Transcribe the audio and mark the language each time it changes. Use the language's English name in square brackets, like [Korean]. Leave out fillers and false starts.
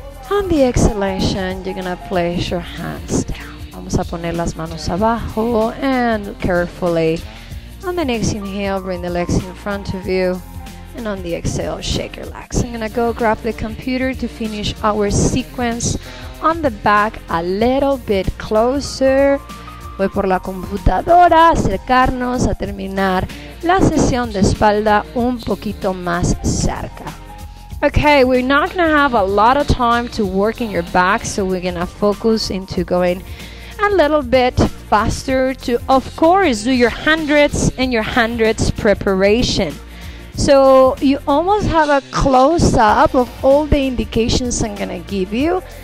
[English] On the exhalation, you're gonna place your hands down. [Spanish] Vamos a poner las manos abajo [English] and carefully. On the next inhale, bring the legs in front of you. And on the exhale, shake your legs. I'm gonna go grab the computer to finish our sequence. On the back, a little bit closer. [Spanish] Voy por la computadora, acercarnos a terminar la sesión de espalda un poquito más cerca. [English] Okay, we're not gonna have a lot of time to work in your back, so we're gonna focus into going a little bit faster to, of course, do your hundreds and your hundreds preparation. So you almost have a close-up of all the indications I'm gonna give you.